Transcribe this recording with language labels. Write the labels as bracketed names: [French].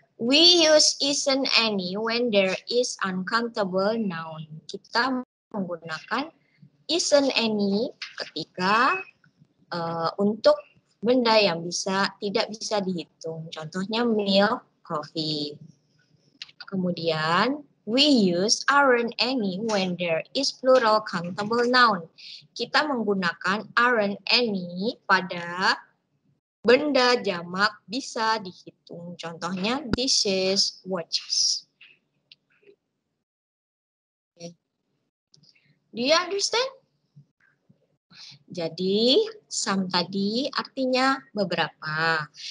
[English] We use isn't any when there is uncountable noun. [Indonesian] Kita menggunakan isn't any ketika untuk benda yang tidak bisa dihitung. Contohnya milk. Coffee. Kemudian, [English] we use aren't any when there is plural countable noun. [Indonesian] Kita menggunakan aren't any pada benda jamak bisa dihitung. Contohnya, dishes, watches. [English] Okay. Do you understand? [Indonesian] Jadi, some tadi artinya beberapa.